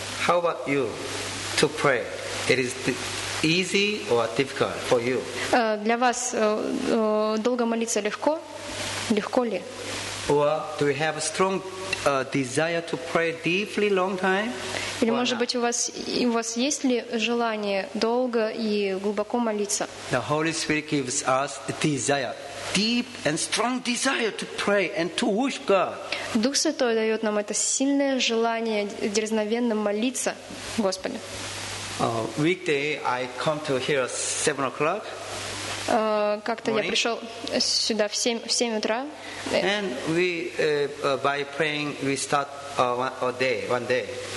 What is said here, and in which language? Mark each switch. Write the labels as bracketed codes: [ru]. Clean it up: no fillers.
[en] How about you to pray? It is easy or difficult for you? [ru] Для вас долго молиться легко? Легко ли? [en] Or do you have a strong desire to pray deeply long time? [ru] Или может быть у вас есть ли желание долго и глубоко молиться? [en] The Holy Spirit gives us a desire, deep and strong desire to pray and to worship God. [ru] Дух Святой дает нам это сильное желание дерзновенно молиться Господу. [en] Weekday I come to here at 7 o'clock. [ru] Как-то я пришел сюда в семь утра. [en] And we by praying we start one day.